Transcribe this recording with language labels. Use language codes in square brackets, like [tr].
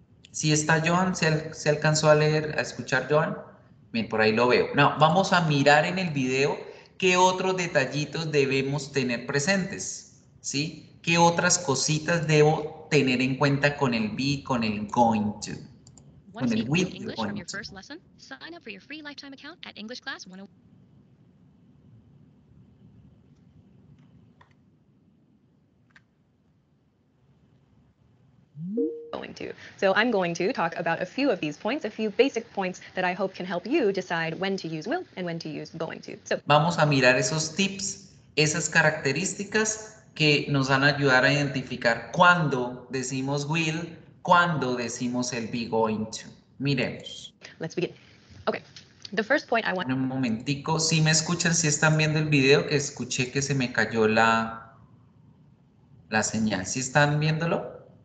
[es] Si está Joan, se alcanzó a leer, a escuchar Joan. Bien, por ahí lo veo. No, vamos a mirar en el video qué otros detallitos debemos tener presentes, ¿sí? ¿Qué otras cositas debo tener en cuenta con el be, con el going to? [en] Want to speak English from your first lesson? Sign up for your free lifetime account at English Class 101. Going to. So I'm going to talk about a few of these points, a few basic points that I hope can help you decide when to use will and when to use going to. So [es] vamos a mirar esos tips, esas características que nos van a ayudar a identificar cuando decimos will, cuando decimos el be going to. Miremos. [en] Let's begin. Okay. The first point I want. [es] Un momentico. Si me escuchan, si están viendo el video, que escuché que se me cayó la señal. ¿Sí están viéndolo?